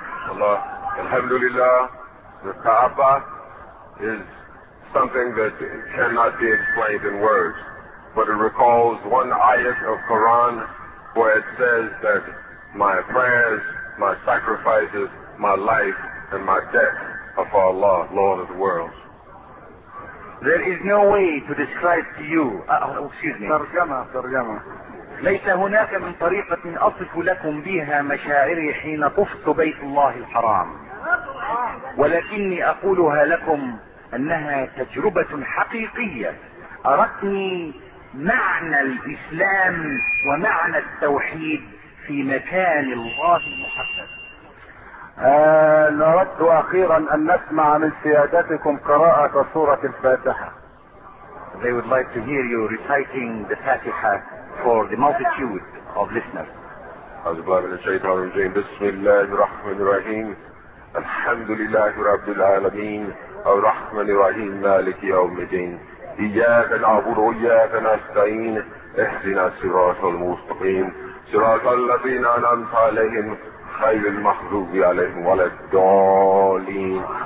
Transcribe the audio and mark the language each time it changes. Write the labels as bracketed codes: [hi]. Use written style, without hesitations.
[en] Allah, alhamdulillah, the Kaaba is something that cannot be explained in words, but it recalls one ayat of Quran where it says that my prayers, my sacrifices, my life, and my death are for Allah, Lord of the worlds. There is no way to describe to you. [ar] ترجمة ترجمة. ليس هناك من طريقة أصف لكم بها مشاعري حين طفت بيت الله الحرام. ولكني أقولها لكم أنها تجربة حقيقية أرتني معنى الإسلام ومعنى التوحيد في مكان الله المحدد. نرد أخيرا أن نسمع من سيادتكم قراءة سورة الفاتحة. [en] They would like to hear you reciting the Fatiha for the multitude of listeners. [ar] أعوذ بالله من الشيطان الرجيم. بسم الله الرحمن الرحيم. الحمد لله رب العالمين الرحمن الرحيم مالك يوم الدين إياك نعبد وإياك نستعين اهدنا الصراط المستقيم صراط الذين أنعمت عليهم خير المغضوب عليهم ولا الضالين